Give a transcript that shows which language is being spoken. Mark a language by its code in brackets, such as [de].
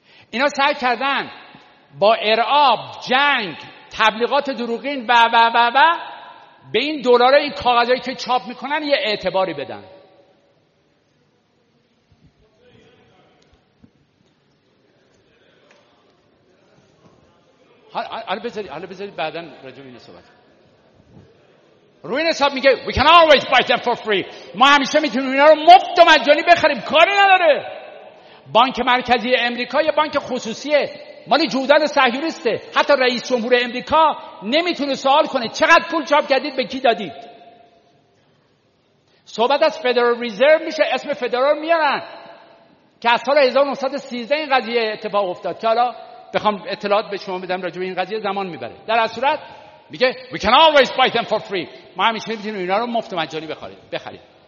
[fa] اینا سعی کردن با ارعاب، جنگ، تبلیغات دروغین و و و و به این دلار این کاغذایی که چاپ میکنن یه اعتباری بدن. حالا بذاری بعدن راجب این صحبت. روی این حساب میگه [en] We can always buy them for free. [fa] ما همیشه میتونیم اینا رو مفت و مجانی بخریم، کاری نداره. بانک مرکزی امریکا یه بانک خصوصیه، مالی جودان صهیونیسته. حتی رئیس جمهور امریکا نمیتونه سوال کنه چقدر پول چاپ کردید، به کی دادید. صحبت از فدرال ریزرو میشه، اسم فدرال میارن، که از سال 1913 این قضیه اتفاق افتاد، که حالا بخوام اطلاعات به شما بدم راجع به این قضیه زمان میبره. در صورت میگه [en] We can always buy them for free. [fa] ما همیشه میتونیم اینا رو مفت مجانی بخرید.